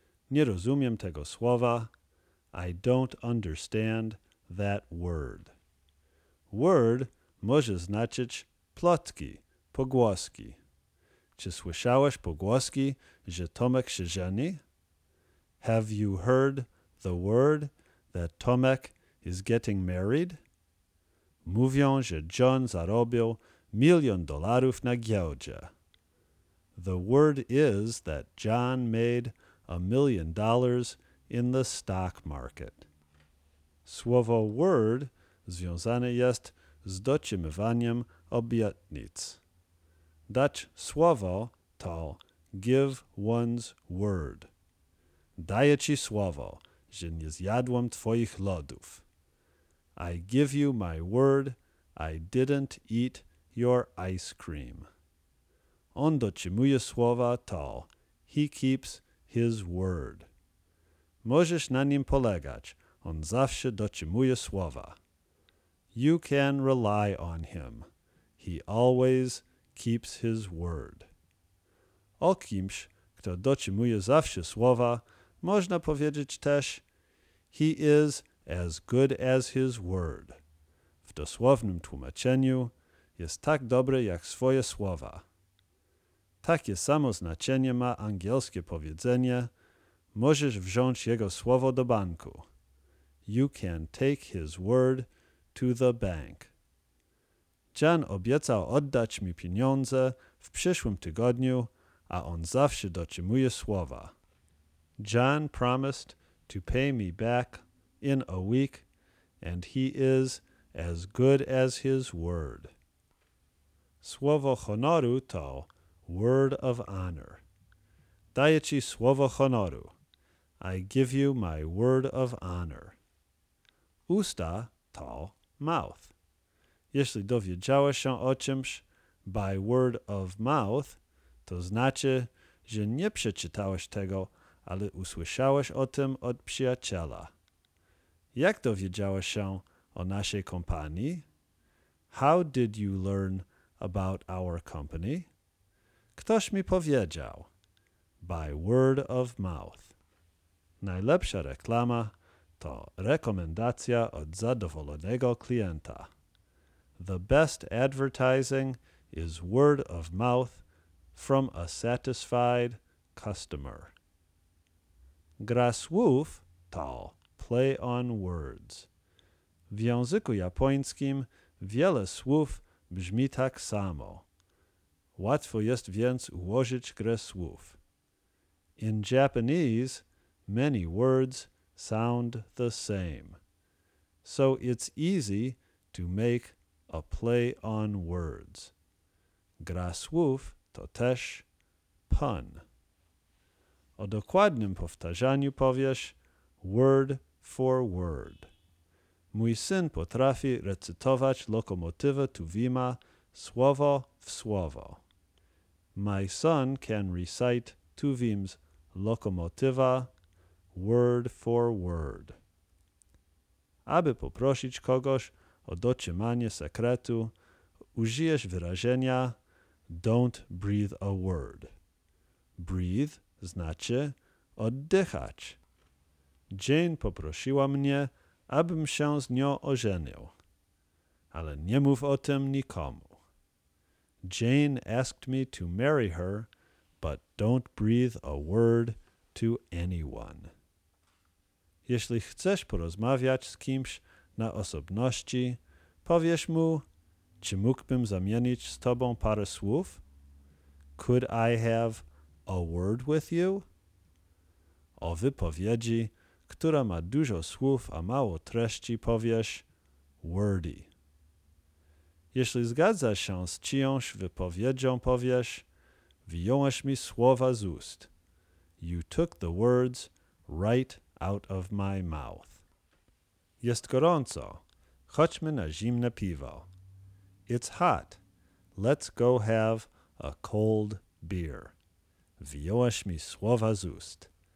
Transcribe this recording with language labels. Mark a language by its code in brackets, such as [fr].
[pl] Nie rozumiem tego słowa. [en] I don't understand that word. [pl] Word może znaczyć plotki, pogłoski. Czy słyszałeś pogłoski, że Tomek się żeni? [en] Have you heard the word that Tomek is getting married? [pl] Mówią, że John zarobił $1 million na giełdzie. [en] The word is that John made $1 million in the stock market. [pl] Słowo word związane jest z dotrzymywaniem obietnic. Dać słowo [en] to give one's word. [pl] Daję ci słowo, że nie zjadłem twoich lodów. [en] I give you my word, I didn't eat your ice cream. [pl] On dotrzymuje słowa to [en] he keeps his word. [pl] Możesz na nim polegać, on zawsze dotrzymuje słowa. [en] You can rely on him. He always keeps his word. [pl] O kimś, kto dotrzymuje zawsze słowa, można powiedzieć też, [en] he is as good as his word. [pl] W dosłownym tłumaczeniu, jest tak dobry jak swoje słowa. Takie samo znaczenie ma angielskie powiedzenie, możesz wziąć jego słowo do banku. [en] You can take his word to the bank. [pl] John obiecał oddać mi pieniądze w przyszłym tygodniu, a on zawsze dotrzymuje słowa. [en] John promised to pay me back in a week, and he is as good as his word. [pl] Słowo honoru to [en] word of honor. [pl] Daję ci słowo honoru. [en] I give you my word of honor. [pl] Usta to mouth. Jeśli dowiedziałeś się o czymś [en] by word of mouth, [pl] to znaczy, że nie przeczytałeś tego, ale usłyszałeś o tym od przyjaciela. Jak dowiedziałeś się o naszej kompanii? [en] How did you learn about our company? [pl] Ktoś mi powiedział. [en] By word of mouth. [pl] Najlepsza reklama to rekomendacja od zadowolonego klienta. [en] The best advertising is word of mouth from a satisfied customer. [pl] Grasłów to [en] play on words. [pl] W języku japońskim wiele słów brzmi tak samo. Łatwo jest więc ułożyć grę słów. [en] In Japanese, many words sound the same. So it's easy to make a play on words. [pl] Grasłów to też pun. O dokładnym powtarzaniu powiesz [en] word for word. [pl] Mój syn potrafi recytować lokomotywę Tuwima słowo w słowo. [en] My son can recite Tuwim's lokomotywa word for word. [pl] Aby poprosić kogoś o dotrzymanie sekretu, użyjesz wyrażenia [en] don't breathe a word. [pl] Breathe znaczy oddychać. Jane poprosiła mnie, abym się z nią ożenił. Ale nie mów o tym nikomu. [en] Jane asked me to marry her, but don't breathe a word to anyone. [pl] Jeśli chcesz porozmawiać z kimś na osobności, powiesz mu, czy mógłbym zamienić z tobą parę słów? [en] Could I have a word with you? [pl] O wypowiedzi, która ma dużo słów, a mało treści, powiesz wordy. Jeśli zgadzasz się z czyjąś wypowiedzią, powiesz, wyjąłeś mi słowa z ust. [en] You took the words right out of my mouth. [pl] Jest gorąco. Chodźmy na zimne piwo. [en] It's hot. Let's go have a cold beer. [pl] Wyjąłeś mi słowa z ust.